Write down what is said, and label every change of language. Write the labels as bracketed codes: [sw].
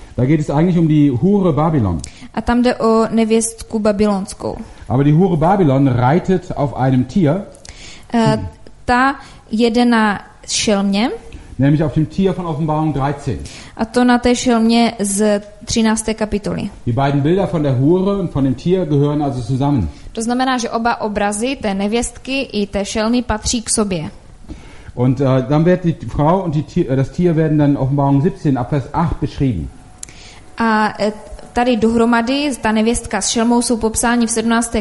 [de] Da geht es eigentlich um die Hure Babylon. [cs] A tam jde o nevěstku babylonskou. [de] Aber die Hure Babylon reitet auf einem Tier. [cs] Ta jede na šelmě. [de] Nämlich auf dem Tier von Offenbarung 13. [cs] A to na té šelmě z 13. kapitoly. [de] Die beiden Bilder von der Hure und von dem Tier gehören also zusammen. [cs] To znamená, že oba obrazy té nevěstky i té šelmy patří k sobě. [de] Und dann wird die Frau und die Tier, das Tier werden dann Offenbarung 17 ab Vers 8 beschrieben. [cs] A tady dohromady ta nevěstka s šelmou jsou popsáni v 17.